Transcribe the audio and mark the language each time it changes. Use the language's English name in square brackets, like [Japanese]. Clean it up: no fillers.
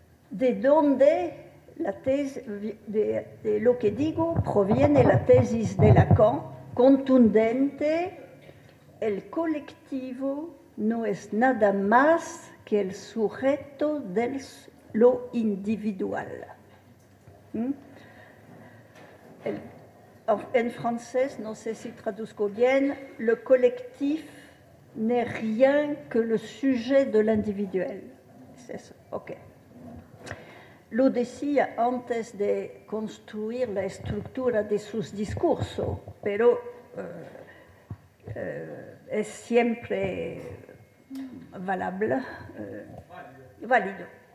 [Spanish] ¿De dónde la tesis de lo que digo proviene la tesis de Lacan, contundente? El colectivo no es nada más que el sujeto de lo individual. En francés, no sé si traduzco bien, [French] le collectif n'est rien que le sujet de l'individuel. C'est ça, ok. [Spanish] Lo decía antes de construir la estructura de sus discursos, pero es siempre [French] valable, [Spanish] válido.